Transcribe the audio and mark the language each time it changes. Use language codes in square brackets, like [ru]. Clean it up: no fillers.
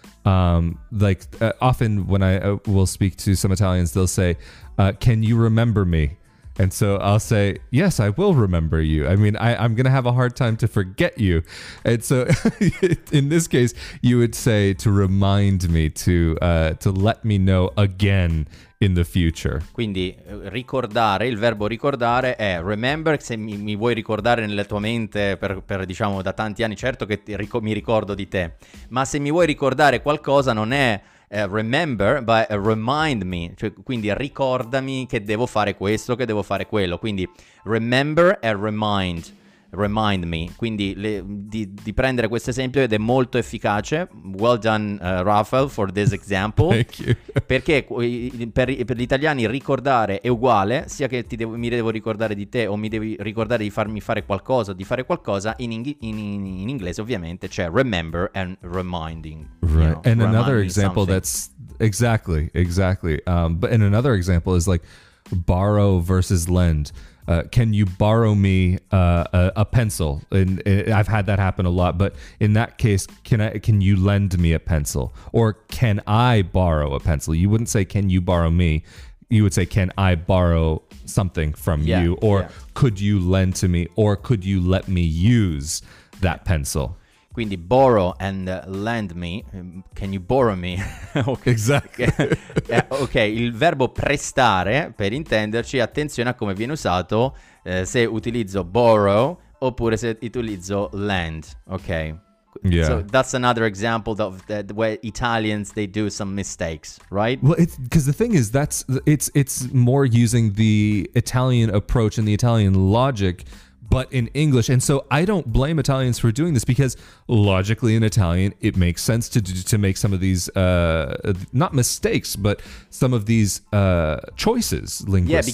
[en] Often when I will speak to some Italians, they'll say, can you remember me? And so I'll say, yes, I will remember you. I mean, I'm going to have a hard time to forget you. And so in this case, you would say to remind me, to let me know again in the future. [it] Quindi ricordare, il verbo ricordare è remember. Se mi vuoi ricordare nella tua mente per diciamo da tanti anni, certo che mi ricordo di te. Ma se mi vuoi ricordare qualcosa non è remember, [en] but remind me. [it] Cioè, quindi ricordami che devo fare questo, che devo fare quello. Quindi remember e remind me. Quindi di prendere questo esempio ed è molto efficace. [en] Well done, Rafael, for this example. Thank you. [it] Perché per gli italiani ricordare è uguale, sia che mi devo ricordare di te o mi devi ricordare di farmi fare qualcosa, di fare qualcosa, in inglese ovviamente c'è [en] remember and reminding. Right. You know, and another example that's exactly. But in another example is like borrow versus lend. Can you borrow me a pencil? And I've had that happen a lot. But in that case, can you lend me a pencil? Or can I borrow a pencil? You wouldn't say, can you borrow me? You would say, can I borrow something from you? Or could you lend to me? Or could you let me use that pencil? Quindi borrow and lend me. Can you borrow me? Exactly. [it] Ok, il verbo prestare, per intenderci, attenzione a come viene usato, se utilizzo borrow oppure se utilizzo lend. Ok. [en] Yeah. So that's another example of that where Italians, they do some mistakes, right? Well, because the thing is, it's more using the Italian approach and the Italian logic, but in English. And so I don't blame Italians for doing this, because logically in Italian, it makes sense to make some of these, not mistakes, but some of these choices linguistically.